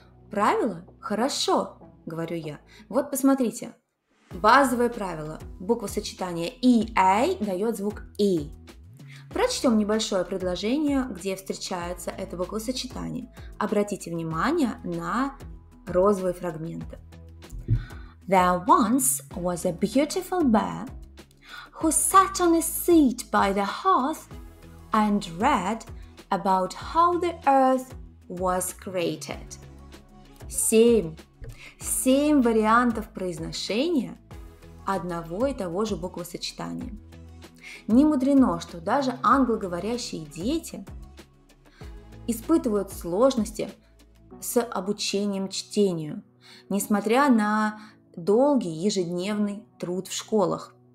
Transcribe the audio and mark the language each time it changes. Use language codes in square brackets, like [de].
[ru] Правила? Хорошо, говорю я. Вот посмотрите. Базовое правило. Буква сочетания EA дает звук E. Прочтем небольшое предложение, где встречается это буквосочетание. Обратите внимание на розовые фрагменты. [en] There once was a beautiful bear who sat on a seat by the hearth and read about how the earth was created. [ru] Семь вариантов произношения одного и того же буквосочетания. Не мудрено, что даже англоговорящие дети испытывают сложности с обучением чтению, несмотря на долгий ежедневный труд в школах.